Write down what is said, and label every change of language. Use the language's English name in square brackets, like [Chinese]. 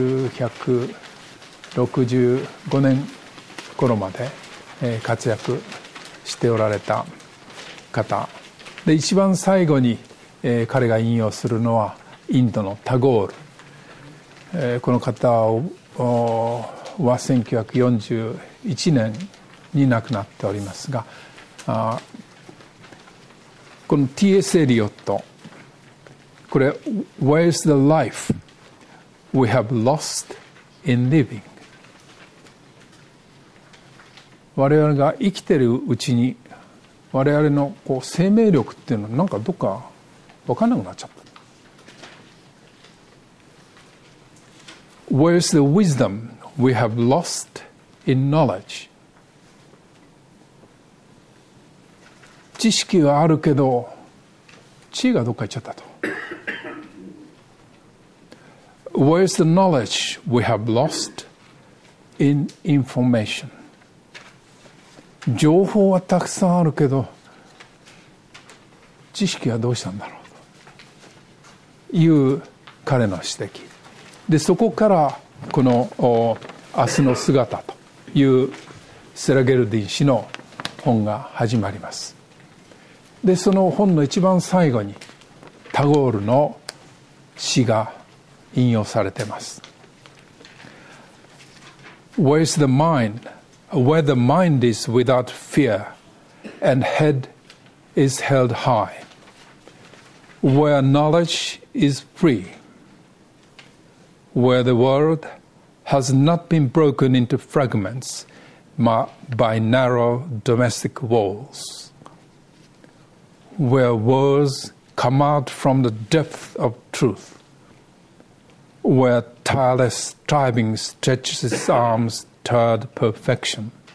[Japanese] 1965年頃まで活躍しておられた方で、一番最後に彼が引用するのはインドのタゴール。この方は1941年に亡くなっておりますが、この T.S. エリオット、これ [English] Where's the life we have lost in living? [Japanese] 我々が生きているうちに我々のこう生命力っていうのはなんかどっか分かんなくなっちゃった。 [English] Where's the wisdom we have lost in knowledge? [Japanese] 知識はあるけど知恵がどっか行っちゃったと。 [English] Where's the knowledge we have lost in information. [Japanese] 情報はたくさんあるけど、知識はどうしたんだろうという彼の指摘で、そこからこの明日の姿というセラゲルディン氏の本が始まります。でその本の一番最後にタゴールの詩が引用されています。 [English] Where is the mind? Where the mind is without fear and head is held high, where knowledge is free, where the world has not been broken into fragments by narrow domestic walls, where words come out from the depth of truth, where tireless striving stretches its arms toward perfection,